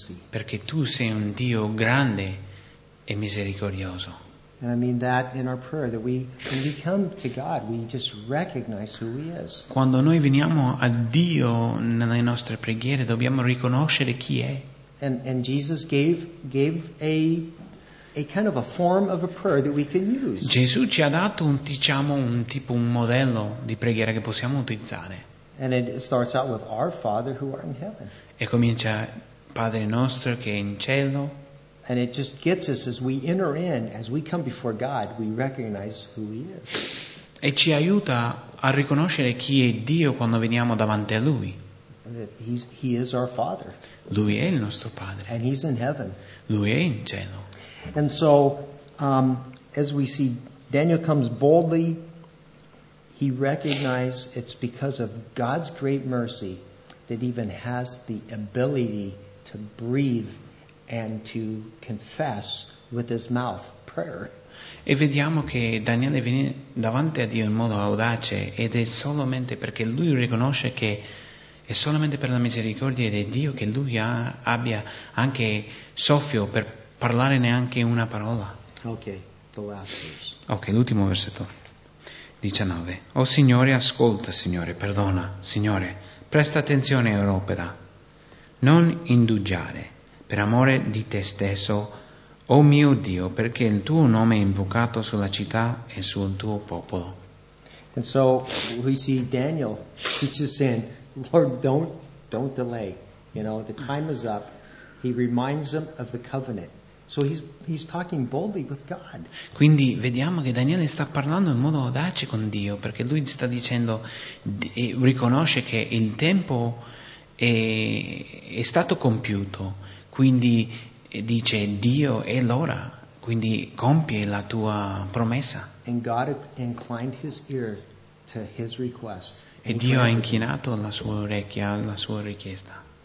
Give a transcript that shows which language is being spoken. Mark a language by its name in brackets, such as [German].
[Italian] Perché tu sei un Dio grande e misericordioso. [English] And I mean that in our prayer that when we come to God, we just recognize who He is. [Italian] Quando noi veniamo a Dio nelle nostre preghiere, dobbiamo riconoscere chi è. [English] And Jesus gave a kind of a form of a prayer that we can use. [Italian] Gesù ci ha dato un modello di preghiera che possiamo utilizzare. [English] And it starts out with our Father who art in heaven. [Italian] E comincia Padre nostro che è in cielo. [English] And it just gets us as we enter in, as we come before God, we recognize who He is. [Italian] E ci aiuta a riconoscere chi è Dio quando veniamo davanti a Lui. [English] He is our Father. [Italian] Lui è il nostro Padre. [English] And He's in heaven. [Italian] Lui è in cielo. [English] And so, as we see, Daniel comes boldly. He recognizes it's because of God's great mercy that even has the ability to breathe and to confess with his mouth prayer. [Italian] E vediamo che Daniele viene davanti a Dio in modo audace ed è solamente perché lui riconosce che è solamente per la misericordia di Dio che lui abbia anche soffio per parlare neanche una parola. [English] Okay, the last verse. [Italian] Okay, l'ultimo versetto. 19. O Signore, ascolta, Signore, perdona, Signore, presta attenzione e opera. Non indugiare, per amore di te stesso, o mio Dio, perché il tuo nome è invocato sulla città e sul tuo popolo. [English] And so we see Daniel, he's just saying, Lord, don't delay. You know, the time is up. He reminds him of the covenant. So he's talking boldly with God. [Italian] Quindi vediamo che Daniele sta parlando in modo audace con Dio, perché lui sta dicendo, riconosce che il tempo è stato compiuto, quindi dice Dio è l'ora, quindi compie la tua promessa. [English] And God inclined his ear to his request. [Italian] E Dio ha inchinato la sua orecchia alla sua richiesta.